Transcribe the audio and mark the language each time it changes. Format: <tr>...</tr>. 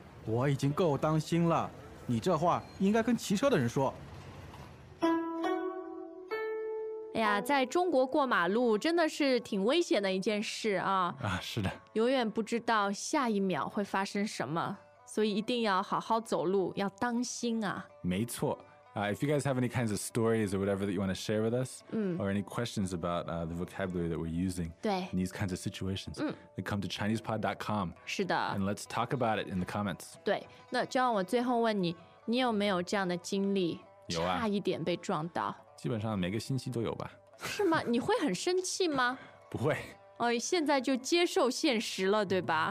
<zh>我已经够当心了你这话应该跟骑车的人说哎呀在中国过马路真的是挺危险的一件事啊是的永远不知道下一秒会发生什么所以一定要好好走路要当心啊没错、</zh> <en>if you guys have any kinds of stories or whatever that you want to share with us or any questions about the vocabulary that we're using</en> <zh>对</zh> <en>in these kinds of situations then come to ChinesePod.com</en> <zh>是的</zh> <en>and let's talk about it in the comments</en> <zh>对那就让我最后问你你有没有这样的经历有啊差一点被撞到基本上每个星期都有吧是吗你会很生气吗不会现在就接受现实了对吧</zh>